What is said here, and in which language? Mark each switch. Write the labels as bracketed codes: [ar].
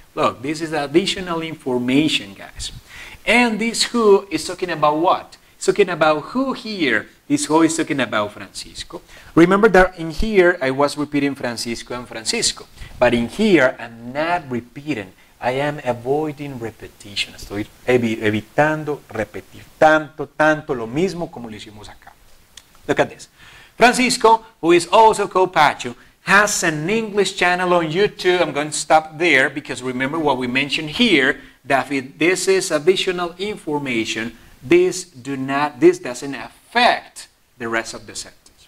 [en] Look, this is additional information, guys. And this who is talking about what? It's talking about who here. This who is talking about Francisco. Remember that in here, I was repeating Francisco and Francisco. But in here, I'm not repeating. I am avoiding repetition. [es] Estoy evitando repetir tanto lo mismo como lo hicimos acá. [en] Look at this. Francisco, who is also called Pacho, has an English channel on YouTube. I'm going to stop there because remember what we mentioned here, David, this is additional information. This doesn't affect the rest of the sentence.